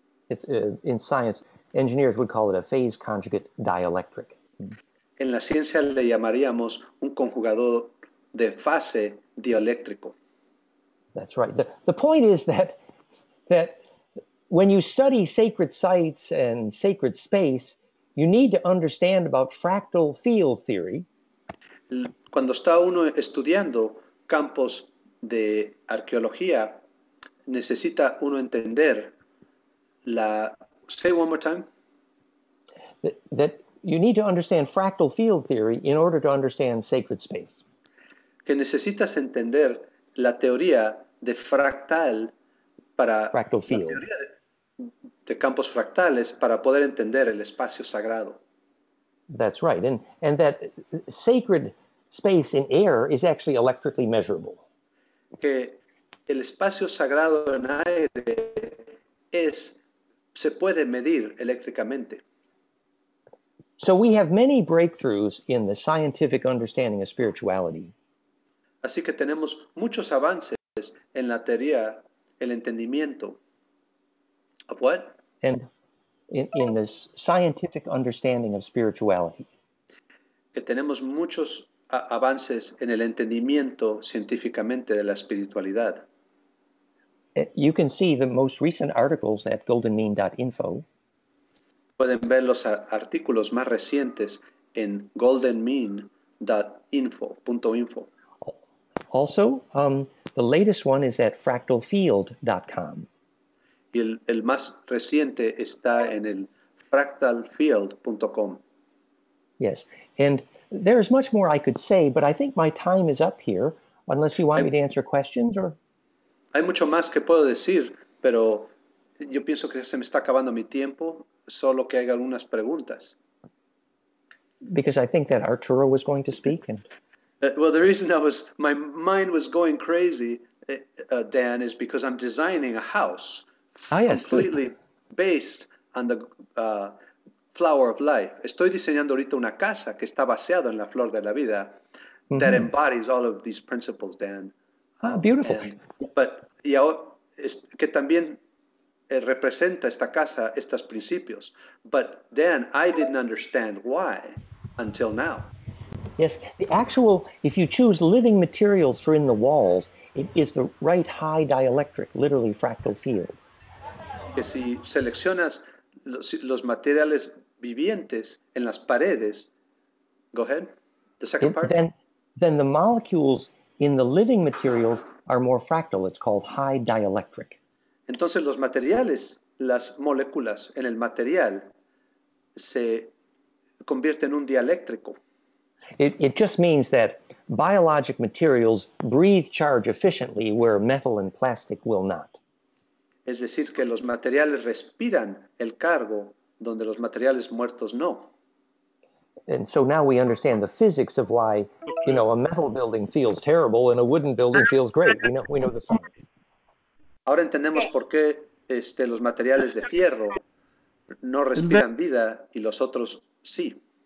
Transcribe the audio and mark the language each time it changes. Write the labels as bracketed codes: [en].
[en] It's in science, engineers would call it a phase conjugate dielectric. [es] En la ciencia le llamaríamos un conjugador de fase dieléctrico. [en] That's right. The point is that when you study sacred sites and sacred space, you need to understand about fractal field theory. [es] Cuando está uno estudiando campos de arqueología, necesita uno entender la... [en] Say one more time. That you need to understand fractal field theory in order to understand sacred space. [es] Que necesitas entender la teoría de fractal para... [en] Fractal field. [es] De campos fractales para poder entender el espacio sagrado. [en] That's right. And that sacred space in air is actually electrically measurable. [es] Que el espacio sagrado en aire se puede medir eléctricamente. [en] So we have many breakthroughs in the scientific understanding of spirituality. [es] Así que tenemos muchos avances en la teoría, el entendimiento. [en] Of what? And in this scientific understanding of spirituality. [es] Que tenemos muchos avances en el entendimiento científicamente de la espiritualidad. [en] You can see the most recent articles at goldenmean.info. [es] Pueden ver los artículos más recientes en goldenmean.info. [en] Also, the latest one is at fractalfield.com. [es] Y el más reciente está en el fractalfield.com. [en] Yes, and there is much more I could say, but I think my time is up here, unless you want me to answer questions or... [es] Hay mucho más que puedo decir, pero yo pienso que se me está acabando mi tiempo, solo que hay algunas preguntas. [en] Because I think that Arturo was going to speak. And... Well, the reason I was, my mind was going crazy, Dan, is because I'm designing a house completely based on the flower of life. [es] Estoy diseñando ahorita una casa que está basada en la flor de la vida [en] that embodies all of these principles, Dan. Ah, beautiful. And, [es] but, y ahora, es, que también representa esta casa, estos principios. [en] But, Dan, I didn't understand why. Until now. Yes, the actual, if you choose living materials for in the walls, it is the right high dielectric, literally fractal field. [es] Que si seleccionas los materiales vivientes en las paredes, [en] go ahead, the second part. Then the molecules in the living materials are more fractal. It's called high dielectric. [es] Entonces los materiales, las moléculas en el material, se... convierte en un dieléctrico. [en] It just means that biologic materials breathe charge efficiently where metal and plastic will not. [es] Es decir, que los materiales respiran el cargo donde los materiales muertos no. [en] And so now we understand the physics of why, you know, a metal building feels terrible and a wooden building feels great. We know the science. [es] Ahora entendemos por qué los materiales de fierro no respiran vida y los otros sí.